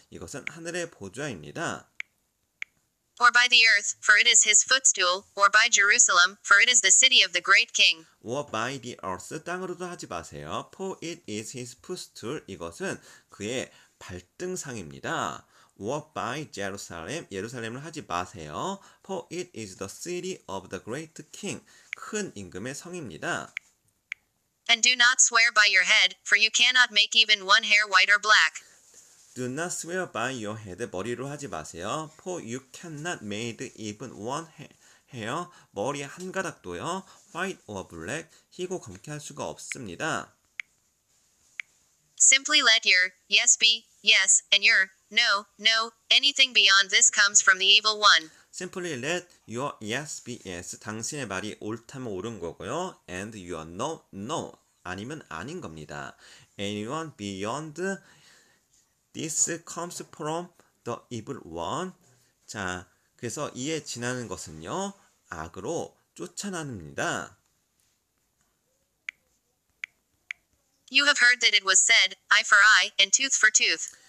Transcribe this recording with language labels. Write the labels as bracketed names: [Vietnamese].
[Korean] 이것은 하늘의 보좌입니다. [English] Or by the earth, for it is his footstool. Or by Jerusalem, for it is the city of the great king. Or by the earth, [Korean] 땅으로도 하지 마세요. [English] For it is his footstool. [Korean] 이것은 그의 발등상입니다. [English] Walk by Jerusalem, [Korean] 예루살렘을 하지 마세요. [English] For it is the city of the great king, [Korean] 큰 임금의 성입니다. [English] And do not swear by your head, for you cannot make even one hair white or black. Do not swear by your head, [Korean] 머리로 하지 마세요. [English] For you cannot make even one hair, [Korean] 머리 한 가닥도요, [English] white or black, [Korean] 희고 검게 할 수가 없습니다. [English] Simply let your yes be yes, and your no, no, anything beyond this comes from the evil one. Simply let your yes be yes, [Korean] 당신의 말이 옳다면 옳은 거고요, [English] and your no, no, [Korean] 아니면 아닌 겁니다. [English] Anyone beyond this comes from the evil one. [Korean] 자, 그래서 이에 지나는 것은요, 악으로 쫓아납니다. [English] You have heard that it was said, eye for eye, and tooth for tooth.